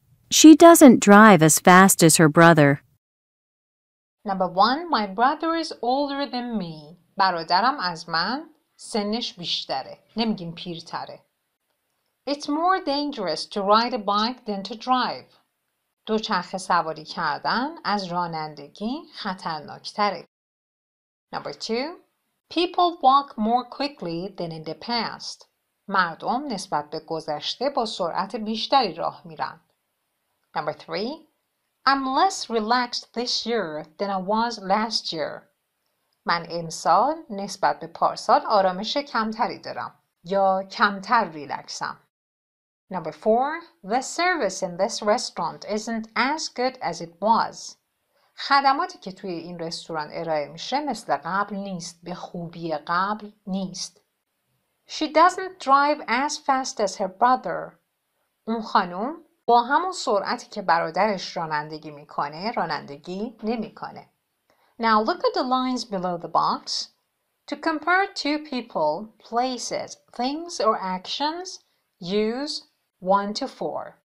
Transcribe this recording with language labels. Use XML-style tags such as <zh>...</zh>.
<en>She doesn't drive as fast as her brother. Number 1, my brother is older than me.</en> <fa>برادرم از من سنش بیشتره. نمیگیم پیرتره.</fa> <en>It's more dangerous to ride a bike than to drive.</en> <fa>دوچرخه سواری کردن از رانندگی خطرناکتره.</fa> <en>Number 2, people walk more quickly than in the past.</en> <fa>مردم نسبت به گذشته با سرعت بیشتری راه میرن.</fa> <en>Number 3, I'm less relaxed this year than I was last year.</en> <fa>من امسال نسبت به پارسال آرامش کمتری دارم یا کمتر ریلکسم.</fa> <en>Number 4, the service in this restaurant isn't as good as it was.</en> <fa>خدماتی که توی این رستوران ارائه میشه مثل قبل نیست، به خوبی قبل نیست.</fa> <en>She doesn't drive as fast as her brother.</en> <fa>اون خانم با همون سرعتی که برادرش رانندگی میکنه، رانندگی نمیکنه.</fa> <en>Now look at the lines below the box. To compare two people, places, things or actions, use 1-4.</en>